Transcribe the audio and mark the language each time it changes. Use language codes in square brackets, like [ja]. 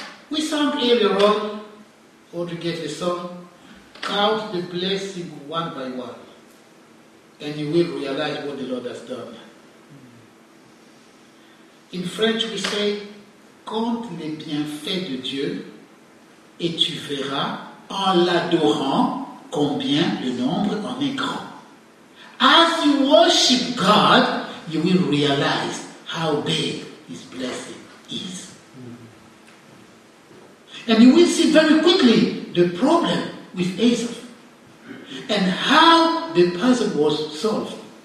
[en] We sang earlier on, or to get a song, count the blessing one by one, and you will realize what the Lord has done. In French we say, [fr] compte les bienfaits de Dieu, et tu verras en l'adorant combien le nombre en est grand. [en] As you worship God, you will realize how big His blessing is. And you will see very quickly the problem with Asaph and how the puzzle was solved.